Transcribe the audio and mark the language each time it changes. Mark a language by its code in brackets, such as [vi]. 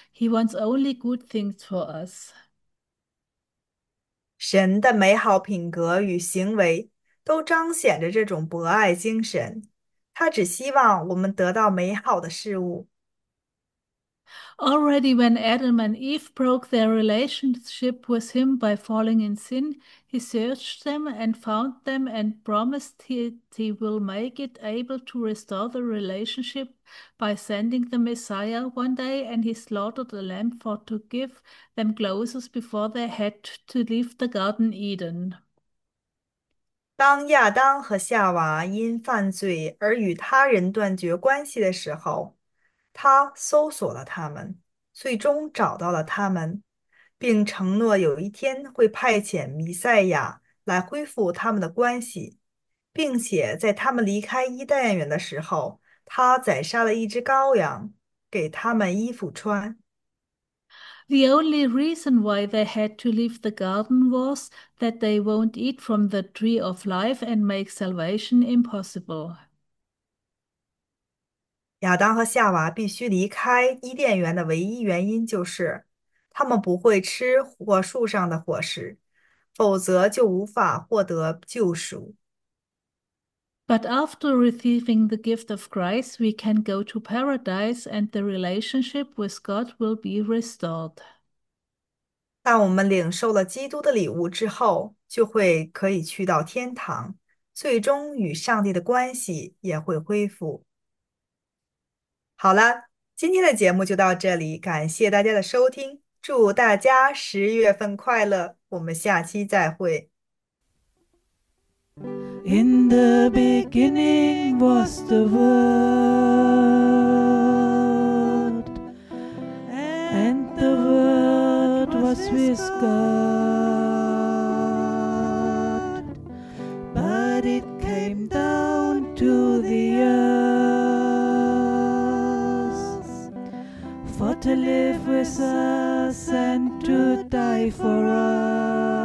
[en] He wants only good things for us. [zh] 神的美好品格与行为都彰显着这种博爱精神，他只希望我们得到美好的事物。 [en] Already when Adam and Eve broke their relationship with him by falling in sin, he searched them and found them and promised he will make it able to restore the relationship by sending the Messiah one day, and he slaughtered a lamb for to give them clothes before they had to leave the Garden Eden. [zh] 当亚当和夏娃因犯罪而与他人断绝关系的时候，他搜索了他们，最终找到了他们，并承诺有一天会派遣弥赛亚来恢复他们的关系，并且在他们离开伊甸园的时候，他宰杀了一只羔羊，给他们衣服穿。 [en] The only reason why they had to leave the garden was that they won't eat from the tree of life and make salvation impossible. [zh] 亚当和夏娃必须离开伊甸园的唯一原因就是，他们不会吃火树上的果实，否则就无法获得救赎。 [en] But after receiving the gift of Christ, we can go to paradise and the relationship with God will be restored. [zh] 当我们领受了基督的礼物之后，就会可以去到天堂，最终与上帝的关系也会恢复。好了，今天的节目就到这里，感谢大家的收听，祝大家10月份快乐，我们下期再会。 [en] In the beginning was the Word, and the Word was with God, but it came down to the earth for to live with us and to die for us.